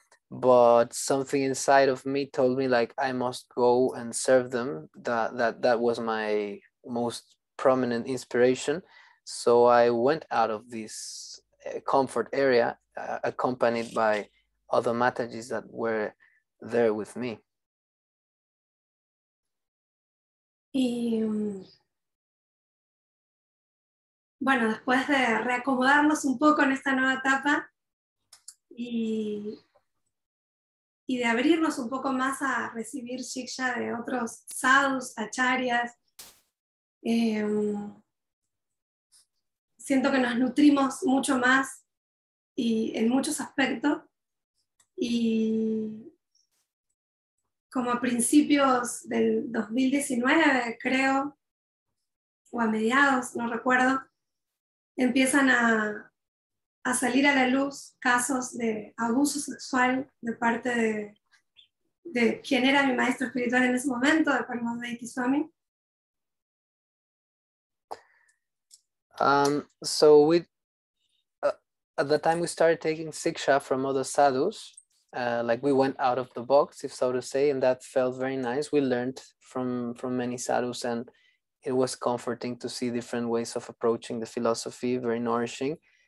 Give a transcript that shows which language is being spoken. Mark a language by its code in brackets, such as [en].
[en] But something inside of me told me like I must go and serve them. That was my most prominent inspiration. So I went out of this comfort area, accompanied by other Matajis that were there with me. [es] Y bueno, después de reacomodarnos un poco en esta nueva etapa y de abrirnos un poco más a recibir shiksha de otros sadhus, acharyas, siento que nos nutrimos mucho más y en muchos aspectos. Y como a principios del 2019, creo, o a mediados, no recuerdo, empiezan a salir a la luz casos de abuso sexual de parte de quien era mi maestro espiritual en ese momento, de Paramahamsa Swami. [en] At the time we started taking siksha from other sadhus, like we went out of the box, if so to say, and that felt very nice. We learned from many sadhus, and it was comforting to see different ways of approaching the philosophy, very nourishing.